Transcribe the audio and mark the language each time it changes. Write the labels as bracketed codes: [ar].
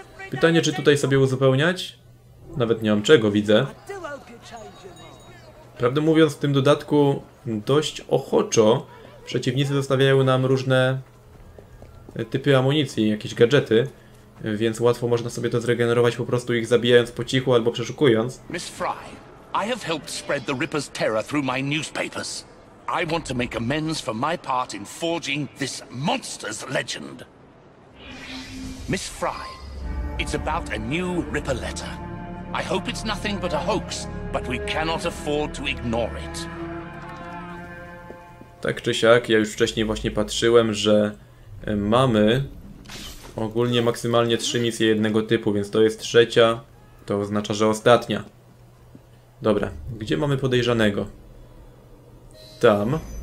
[pl] Pytanie, czy tutaj sobie uzupełniać? Nawet nie mam czego, widzę. Prawdę mówiąc, w tym dodatku dość ochoczo przeciwnicy zostawiają nam różne typy amunicji, jakieś gadżety. więc łatwo można sobie to zregenerować, po prostu ich zabijając po cichu albo przeszukując. [en] Miss Fry, I have helped spread the Ripper's terror through my newspapers. I want to make amends for my part in forging this monster's legend. Miss Fry, it's about a new Ripper letter. I hope it's nothing but a hoax, but we cannot afford to ignore it. [pl] Tak czy siak, ja już wcześniej właśnie patrzyłem, że mamy ogólnie maksymalnie 3 misje jednego typu, więc to jest trzecia, to oznacza, że ostatnia. Dobra, gdzie mamy podejrzanego? Tam.